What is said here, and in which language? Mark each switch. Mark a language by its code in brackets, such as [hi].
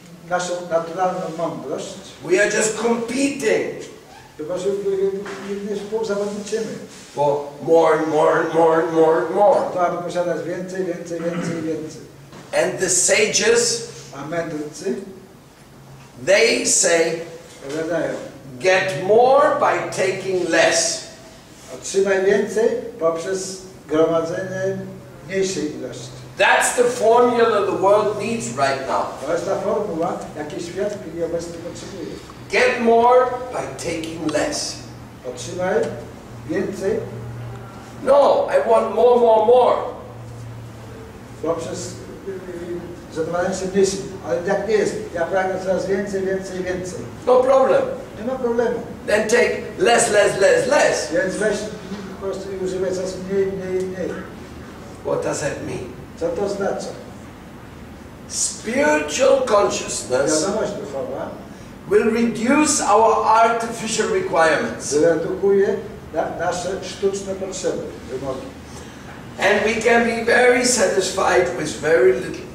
[pl] naszą naturalną mądrość. [en] We are just competing. [pl] Chyba, że jedynie współzawodniczymy. [en] For more and more and more and more and more. [pl] To, aby posiadać więcej, więcej, więcej, więcej. [en] And the sages, [pl] a mędrcy, [en] they say, [pl] powiadają, [en] get more by taking less. [pl] Otrzymaj więcej poprzez gromadzenie mniejszej ilości. [en] That's the formula the world needs right now. [pl] To jest ta formuła, jakiej świat w chwili obecnej potrzebuje. [en] Get more by taking less. [pl] Otrzymaj więcej. [en] No, I want more, more, more. [pl] Poprzez zadawanie się mniejszym. Ale tak nie jest. Ja pragnę coraz więcej, więcej, więcej. [en] No problem. [pl] Nie ma problemu. [en] Then take less, less, less, less. [pl] Więc weź po prostu i używaj coraz mniej, mniej, mniej. [en] What does that mean? [pl] Co to znaczy? [en] Spiritual consciousness. [pl] Wiadomość duchowa. [en] Will reduce our artificial requirements. [pl] Zredukuje nasze sztuczne potrzeby, wymogi. [en] And we can be very satisfied with very little.